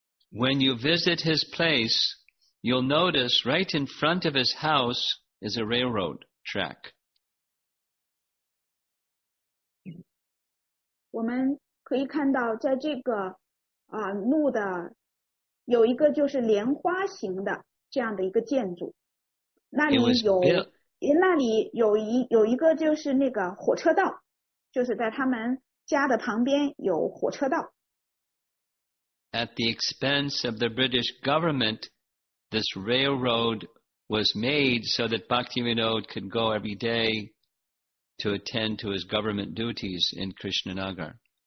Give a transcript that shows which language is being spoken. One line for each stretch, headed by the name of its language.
English: When you visit his place, you'll notice right in front of his house is a railroad track.
Chinese: 我们可以看到，在这个路的有一个就是莲花形的这样的一个建筑，那里有一个就是那个火车道，就是在他们家的旁边有火车道。
English: At the expense of the British government, this railroad was made so that Bhaktivinoda could go every day to attend to his government duties in Krishnanagar.